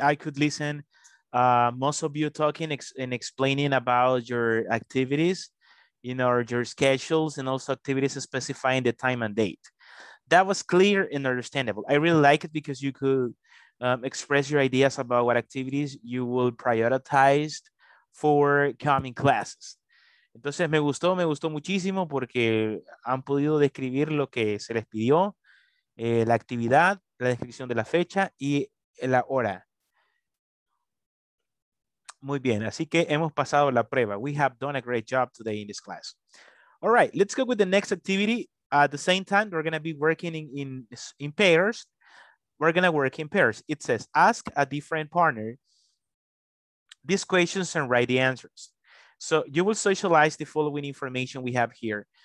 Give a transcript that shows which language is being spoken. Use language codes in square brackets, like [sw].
[en] I could listen most of you talking and explaining about your activities, you know, your schedules and also activities specifying the time and date. That was clear and understandable. I really like it because you could express your ideas about what activities you will prioritize for coming classes. [es] Entonces me gustó muchísimo porque han podido describir lo que se les pidió. La actividad, la descripción de la fecha y la hora. Muy bien, así que hemos pasado la prueba. [en] We have done a great job today in this class. All right, let's go with the next activity. At the same time, we're going to be working in pairs. We're going to work in pairs. It says, ask a different partner these questions and write the answers. So you will socialize the following information we have here.